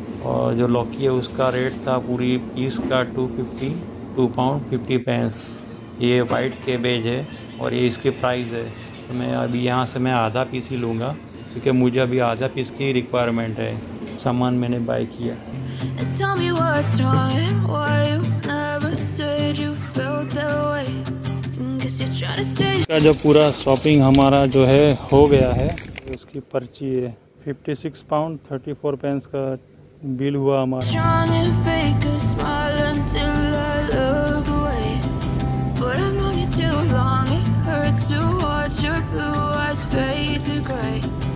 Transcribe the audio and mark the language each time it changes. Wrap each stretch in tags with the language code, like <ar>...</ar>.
<hi>और जो लौकी है उसका रेट था पूरी पीस का 2 पाउंड 50 पेंस। ये वाइट केबेज है और ये इसकी प्राइस है। तो मैं अभी यहाँ से मैं आधा पीस ही लूँगा क्योंकि मुझे अभी आधा पीस की रिक्वायरमेंट है। सामान मैंने बाय किया।</hi> <en>Tell me what's wrong and why you never said you felt that way. Cause you're trying to stay.</en> <hi>इसका जो पूरा शॉपिंग हमारा जो है हो गया है, उसकी पर्ची है 56 पाउंड 34 पेंस का बिल हुआ हमारा।</hi>